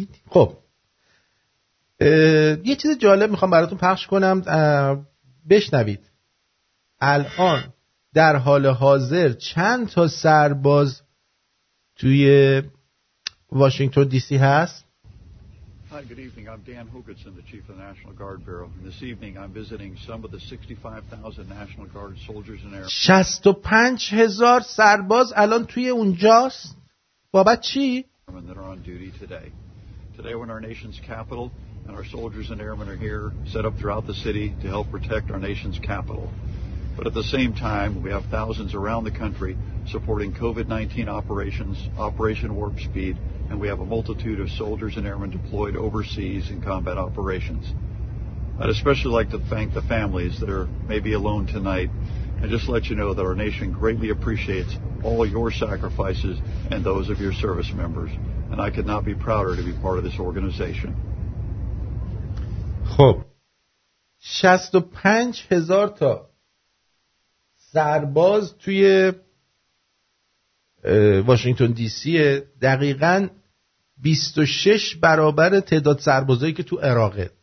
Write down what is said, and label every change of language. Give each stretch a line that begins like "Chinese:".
Persian: خب یه چیز جالب میخوام براتون پخش کنم، بشنوید. الان در حال حاضر چند تا سرباز توی واشنگتن دی سی هست؟
English: Hi, good evening. I'm Dan Hogutson, the Chief of the National Guard Bureau. And this evening, I'm visiting some of the 65,000 National Guard soldiers and airmen.
Persian: 65,000 سرباز الان توی اونجاست. بابت چی؟
English: That are on duty today. Today, when our nation's capital and our soldiers and airmen are here, set up throughout the city to help protect our nation's capital. But at the same time, we have thousands around the country supporting COVID-19 operations, Operation Warp Speed, and we have a multitude of soldiers and airmen deployed overseas in combat operations. I'd especially like to thank the families that are maybe alone tonight and just let you know that our nation greatly appreciates all your sacrifices and those of your service members, and I could not be prouder to be part of this organization.
Persian: خب 65,000 تا سرباز توی واشنگتن دی سی دقیقاً 26 برابر تعداد سربازایی که تو عراقه.